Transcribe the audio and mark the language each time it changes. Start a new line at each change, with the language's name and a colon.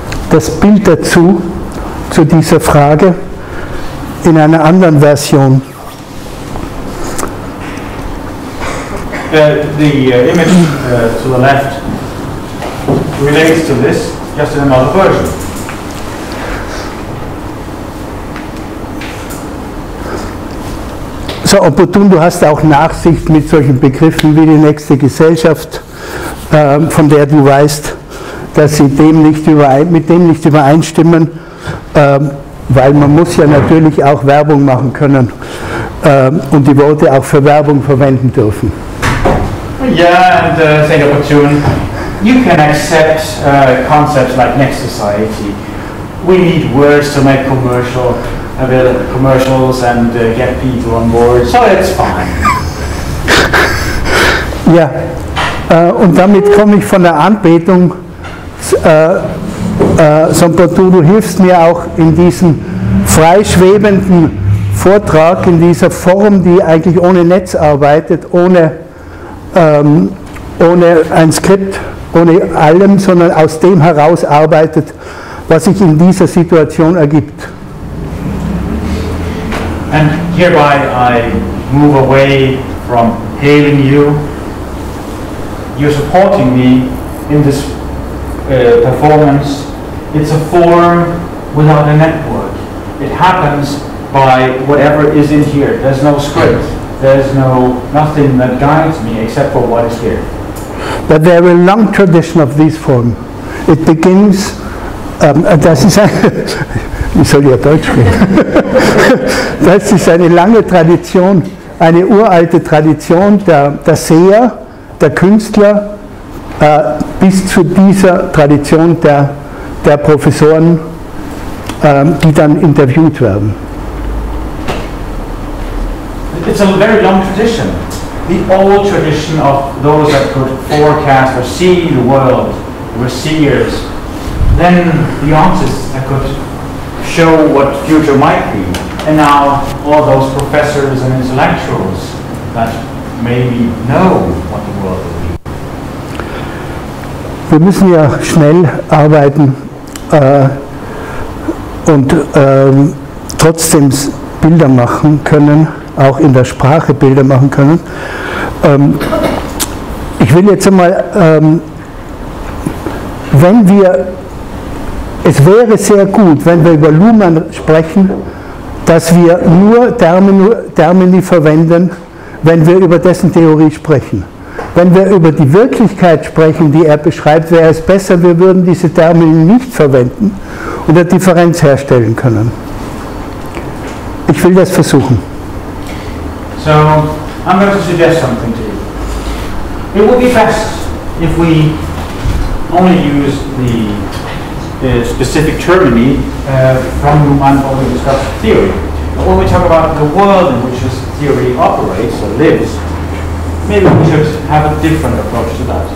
German: Das Bild dazu, zu dieser Frage, in einer anderen Version.
English: The image to the left relates to this, just in another version.
German: So opportun, du hast auch Nachsicht mit solchen Begriffen wie die nächste Gesellschaft, von der du weißt, dass sie mit dem nicht übereinstimmen, weil man muss ja natürlich auch Werbung machen können und die Worte auch für Werbung verwenden dürfen.
English: Saint opportun, you can accept concepts like next society. We need words to make commercial. Commercials and get people on board, so it's fine.
German: Ja, und damit komme ich von der Anbetung. Sompertu, du hilfst mir auch in diesem freischwebenden Vortrag, in dieser Form, die eigentlich ohne Netz arbeitet, ohne ein Skript, ohne allem, sondern aus dem heraus arbeitet, was sich in dieser Situation ergibt.
English: And hereby I move away from hailing you. You're supporting me in this performance. It's a form without a network. It happens by whatever is in here. There's no script. There's no nothing that guides me except for what is here. But there is a long tradition of this form. It begins.
German: Das ist ein Wie soll ich Deutsch reden? Das ist eine lange Tradition, eine uralte Tradition der Seher, der Künstler, bis zu dieser Tradition der Professoren, die dann interviewt werden.
English: It's a very long tradition. The old tradition of those that could forecast or see the world were seers. Then the artists that could show what future might be. And now all those professors and intellectuals that maybe know what the world will be.
German: Wir müssen ja schnell arbeiten. Und trotzdem Bilder machen können, auch in der Sprache Bilder machen können. Ich will jetzt einmal, wenn wir, es wäre sehr gut, wenn wir über Luhmann sprechen, dass wir nur Termini verwenden, wenn wir über dessen Theorie sprechen. Wenn wir über die Wirklichkeit sprechen, die er beschreibt, wäre es besser, wir würden diese Termini nicht verwenden und eine Differenz herstellen können. Ich will das versuchen.
English: So, I'm going to suggest something to you. It would be best if we only use the specific termini from Luhmann when we discuss theory. But when we talk about the world in which this theory operates or lives, maybe we should have a different approach to that.